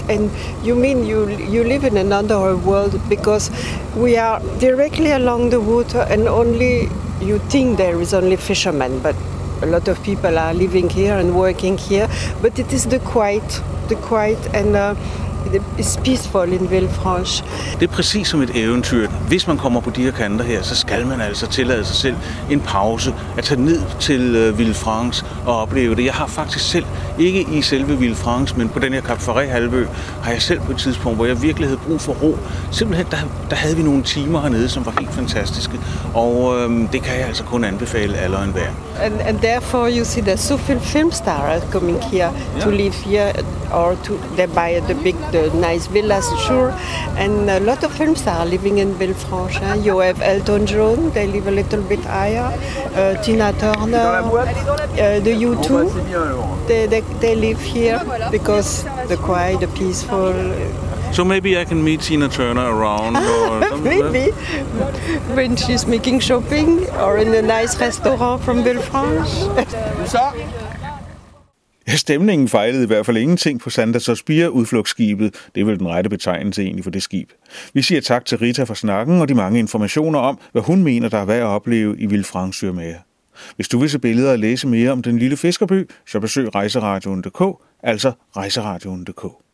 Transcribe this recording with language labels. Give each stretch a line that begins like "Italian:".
English: And you mean you live in another world, because we are directly along the water, and only you think there is only fishermen, but a lot of people are living here and working here, but it is the quiet and it's peaceful in Villefranche.
Danish: Det er præcis som et eventyr. Hvis man kommer på de her kanter her, så skal man altså tillade sig selv en pause at tage ned til Villefranche og opleve det. Jeg har faktisk selv, ikke i selve Villefranche, men på den her Cap Ferret-halvø, har jeg selv på et tidspunkt, hvor jeg virkelig havde brug for ro. Simpelthen, der havde vi nogle timer hernede, som var helt fantastiske. Og det kan jeg altså kun anbefale alle og enhver.
English: And therefore you see there's so few film stars coming here to live here or to buy the big the nice villas, sure, and a lot of films are living in Villefranche. Hein? You have Elton John, they live a little bit higher, Tina Turner, the U2, they live here because the quiet, the peaceful. So maybe I can meet Tina Turner around or something. Maybe, when she's making shopping or in a nice restaurant from Villefranche.
Danish: Ja, stemningen fejlede i hvert fald ingenting på Santa Sospira udflugtsskibet. Det er vel den rette betegnelse egentlig for det skib. Vi siger tak til Rita for snakken og de mange informationer om, hvad hun mener, der er værd at opleve i Villefranche-sur-Mer. Hvis du vil se billeder og læse mere om den lille fiskerby, så besøg rejseradioen.dk, altså rejseradioen.dk.